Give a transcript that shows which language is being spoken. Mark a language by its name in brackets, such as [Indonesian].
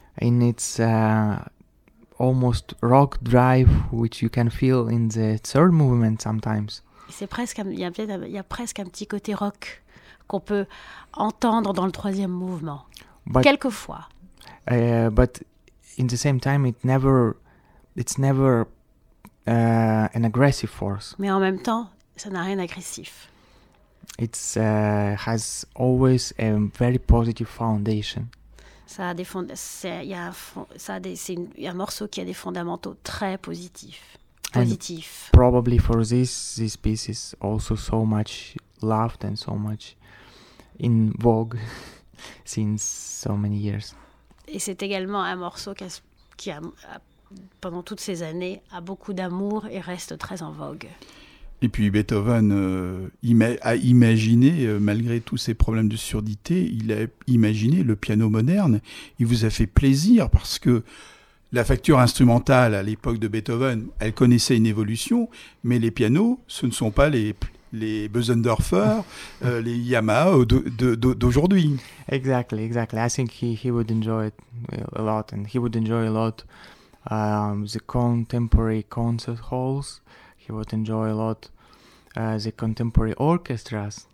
[English] In its almost rock drive, which you can feel in the third movement sometimes. [French] C'est presque il y a presque un petit côté rock qu'on peut entendre dans le troisième mouvement quelquefois. [English] But in the same time, it's never an aggressive force. [French] Mais en même temps, ça n'a rien d'agressif. [English] It's has always a very positive foundation. [French] C'est un morceau qui a des fondamentaux très positifs. Positif. [English] And probably for this piece is also so much loved and so much in vogue since so many years. [French] Et c'est également un morceau qui a pendant toutes ces années a beaucoup d'amour et reste très en vogue. Et puis Beethoven a imaginé, malgré tous ses problèmes de surdité, il a imaginé le piano moderne. Il vous a fait plaisir parce que la facture instrumentale à l'époque de Beethoven, elle connaissait une évolution, mais les pianos, ce ne sont pas les Bösendorfer, les Yamaha d'aujourd'hui. [English] Exactly, exactly. I think he would enjoy it a lot, and he would enjoy a lot the contemporary concert halls. He would enjoy a lot the contemporary orchestras.